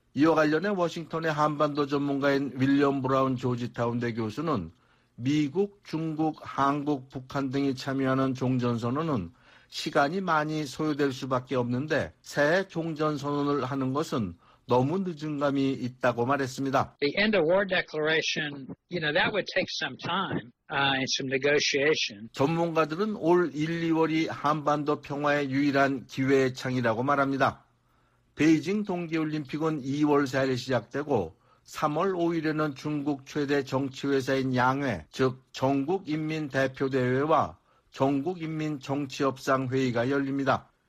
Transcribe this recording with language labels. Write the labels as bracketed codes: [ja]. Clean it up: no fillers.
[ko] 이와 관련해 워싱턴의 한반도 전문가인 윌리엄 브라운 조지타운대 교수는 미국, 중국, 한국, 북한 등이 참여하는 종전선언은 시간이 많이 소요될 수밖에 없는데 새해 종전선언을 하는 것은 너무 늦은 감이 있다고 말했습니다. [en] The end of war declaration, you know, that would take some time and some negotiation. [ko] 전문가들은 올 1, 2월이 한반도 평화의 유일한 기회의 창이라고 말합니다. 베이징 동계올림픽은 2월 4일 시작되고 3월 5일에는 중국 최대 정치회사인 양회, 즉 전국인민대표대회와 전국인민정치협상회의가 열립니다.